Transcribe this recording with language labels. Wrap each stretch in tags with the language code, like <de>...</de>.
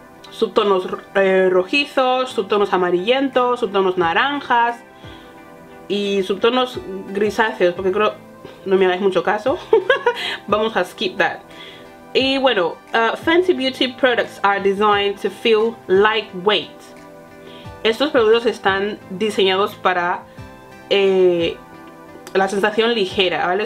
<es>subtonos rojizos, subtonos amarillentos, subtonos naranjas y subtonos grisáceos, porque creo, no me hagáis mucho caso, vamos a</es> <en>skip that.</en> <es>Y bueno,</es> <en>Fentybeauty products are designed to feel lightweight.</en> <es>Estos productos están diseñados para la sensación ligera, ¿vale?</es>